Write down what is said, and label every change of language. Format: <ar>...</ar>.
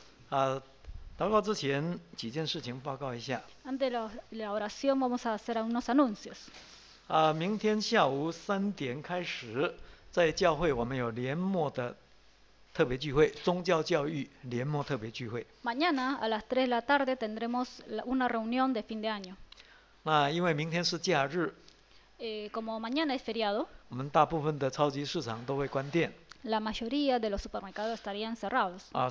<zh>祷告之前几件事情报告一下。</zh> <es>Antes de la oración vamos a hacer unos anuncios。</es> <zh>明天下午3点开始，在教会我们有年末的特别聚会，宗教教育年末特别聚会。</zh> <es>Mañana a las 3 de la tarde tendremos una reunión de fin de año。</es> <zh>那因为明天是假日。</zh> <es>Como mañana es feriado。</es> <zh>我们大部分的超级市场都会关店。</zh> <es>La mayoría de los supermercados estarían cerrados.</es>